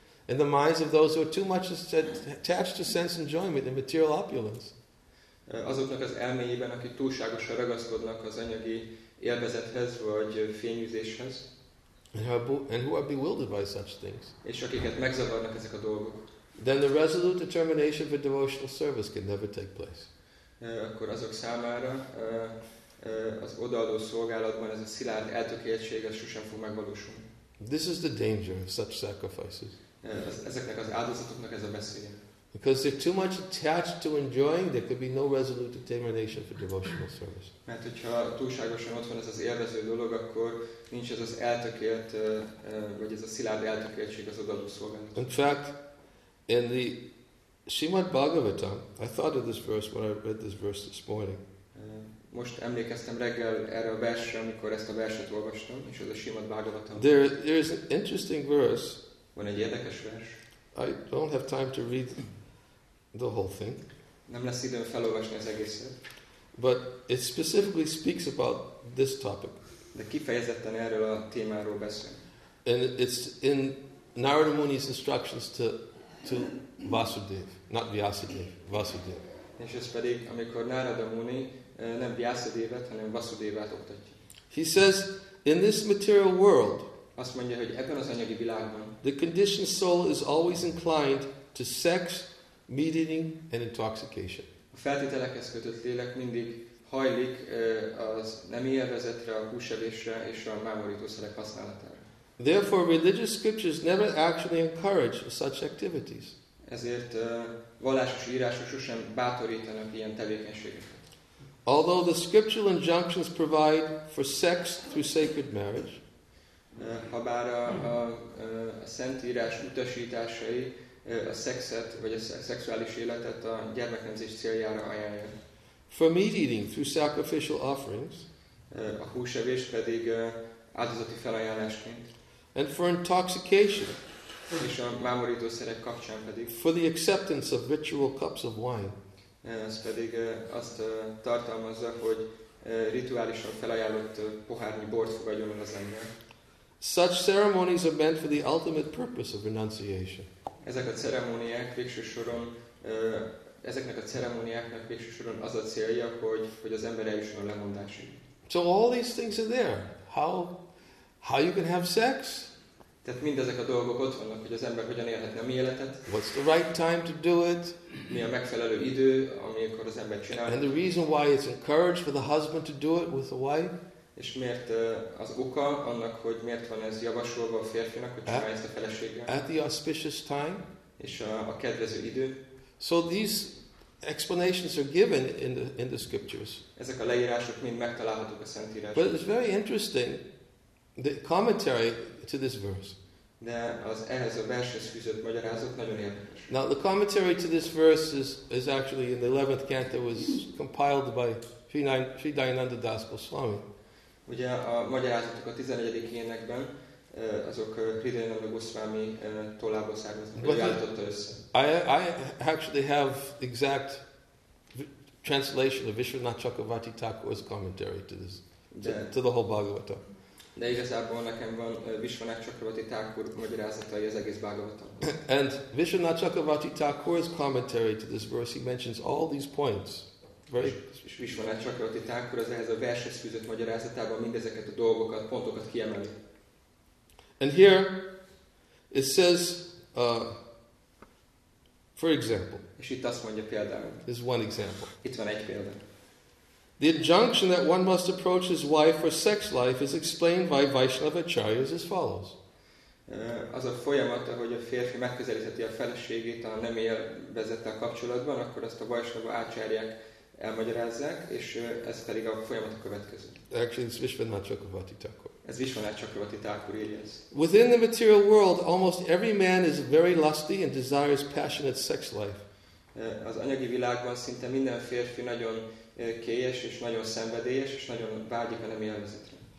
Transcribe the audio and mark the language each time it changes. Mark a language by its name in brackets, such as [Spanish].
[English] In the minds of those who are too much attached to sense enjoyment and material opulence. [Hungarian] Azoknak az elméjében, akik túlságosan ragaszkodnak az anyagi élvezethez vagy fényűzéshez. [English] And who are bewildered by such things. [Hungarian] És akiket megzavarnak ezek a dolgok. [English] Then the resolute determination for devotional service can never take place. [Hungarian] Akkor azok számára az odaadó szolgálatban ez a szilárd eltökéltség sosem fog megvalósulni. [English] This is the danger of such sacrifices. [Hungarian] Ezeknek az áldozatoknak ez a veszélye. [English] Because they're too much attached to enjoying, there could be no resolute determination for devotional service. [Hungarian] Mert hogyha túlságosan ott van ez az élvező dolog, akkor nincs ez az eltökélt, vagy ez a szilárd eltökéltség az odaadó szolgálat. [English] In fact, in the Srimad Bhagavatam, I thought of this verse when I read this verse this morning. [Hungarian] Most emlékeztem reggel erre a versre, amikor ezt a verset olvastam, és ez a Srimad Bhagavatam. [English] There is an interesting verse. [Hungarian] Van egy érdekes vers. [English] I don't have time to read the whole thing. [Hungarian] Nem lesz időm felolvasni az egészet. [English] But it specifically speaks about this topic. [Hungarian] De kifejezetten erről a témáról beszél. [English] And it's in Narada Muni's instructions to Vasudev, not Vyasadev, Vasudev. [Hungarian] És ez pedig, amikor Narada Muni nem Vyasadevet, hanem Vasudevet oktatja. [English] He says, in this material world, [Hungarian] azt mondja, hogy ebben az anyagi világban, [English] the conditioned soul is always inclined to sex, meat eating, and intoxication. [Hungarian] A feltételekhez kötött lélek mindig hajlik az nemi élvezetre, a húsevésre és a mámorítószerek használatára. [English] Therefore, religious scriptures never actually encourage such activities. [Hungarian] Ezért vallásos írások sosem bátorítanak ilyen tevékenységeket. [English] Although the scriptural injunctions provide for sex through sacred marriage, [Hungarian] habár a szentírás utasításai a szexet vagy a szexuális életet a gyermeknemzés céljára ajánlják. [English] For meat eating through sacrificial offerings, [Hungarian] a húsevés pedig áldozati felajánlásként. [English] And for intoxication, [Hungarian] és a mámorítószerek kapcsán pedig. [English] For the acceptance of ritual cups of wine, [Hungarian] ez pedig azt tartalmazza, hogy rituálisan felajánlott pohárnyi bort fogadjon az ember. [English] Such ceremonies are meant for the ultimate purpose of renunciation. [Hungarian] Ezek a ceremóniák végső soron, ezeknek a ceremóniáknak végső soron az a célja, hogy az ember eljusson a lemondásig. [English] So all these things are there. How you can have sex? [Hungarian] Tehát mindezek a dolgok ott vannak, hogy az ember hogyan élhetne a mi életet. [English] What's the right time to do it? [Hungarian] Mi a megfelelő idő, amikor az ember csinálja. [English] And the reason why it's encouraged for the husband to do it with the wife? [Hungarian] És miért az oka annak, hogy miért van ez javasolva a férfinak, hogy csinálja ezt a feleséggel? [English] At the auspicious time? [Hungarian] És a kedvező idő. [English] So these explanations are given in the scriptures. [Hungarian] Ezek a leírások mind megtalálhatók a Szentírásban. [English] But it's very interesting, the commentary to this verse. [Hungarian] De az ehhez a vershez fűzött magyarázat nagyon érdekes. [English] Now the commentary to this verse is actually in the 11th canto was compiled by Sri Dayananda Das Goswami. [Hungarian] Ugye a magyarázatok a 14. énekben azok Sri Dayananda Goswami tollából származnak, hogy állította össze. [English] I actually have exact translation of Vishwanath Chakravarti Thakur's commentary to this, to the whole Bhagavatam. [Hungarian] De igazából nekem van Vishwanath Chakravarti Thakur magyarázatai az egész Bhagavatam. [English] And Vishwanath Chakravarti Thakur's commentary to this verse, he mentions all these points. Very. [Hungarian] És Vishwanath Chakravarti Thakur az ehhez a vershez fűzött magyarázatában mindezeket a dolgokat, pontokat kiemeli. [English] And here it says, for example. [Hungarian] És itt azt mondja például. [English] This is one example. [Hungarian] Itt van egy példa. [English] The injunction that one must approach his wife for sex life is explained by Vaishnava Acharyas as follows. [Hungarian] Az a folyamat, ahogy a férfi megközelítheti a feleségét a nem élvezettel kapcsolatban, akkor ezt a Vaishnava Acharyák elmagyarázzák, és ez pedig a folyamat a következő. [English] Actually, it's Vishwanath Chakravarti Thakur. [Hungarian] Ez Vishwanath Chakravarti Thakur írja ezt. [English] Within the material world, almost every man is very lusty and desires passionate sex life. [Hungarian] Az anyagi világban szinte minden férfi nagyon kélyes és nagyon szenvedélyes és nagyon vágyik a nemi élvezetre.